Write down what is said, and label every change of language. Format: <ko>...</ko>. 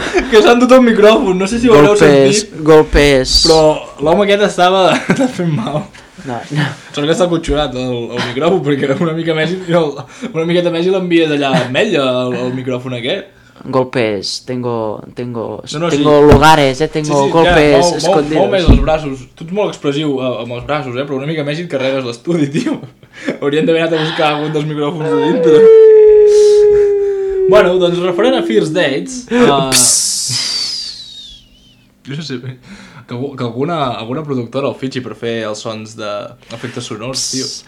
<ca>Que s'han dut el micròfon, no sé si ho heu sentit.</ca> <es>Golpes.</es> <ca>Però l'home aquest estava fent mal. No. Sort que està acotxonat el micròfon, perquè una miqueta més i l'envies allà a Mella, el micròfon aquest.</ca> <es>Golpes, tengo lugares, tengo golpes escondidos.</es> <ca>Molt més els braços, tu ets molt expressiu amb els braços, però una mica més i et carregues l'estudi, tio. Hauríem d'haver anat a buscar algun dels micròfons de dintre. Bueno, doncs referent a First Dates, jo no sé, que alguna productora el fitxi per fer els sons d'efectes sonors, tio.</ca>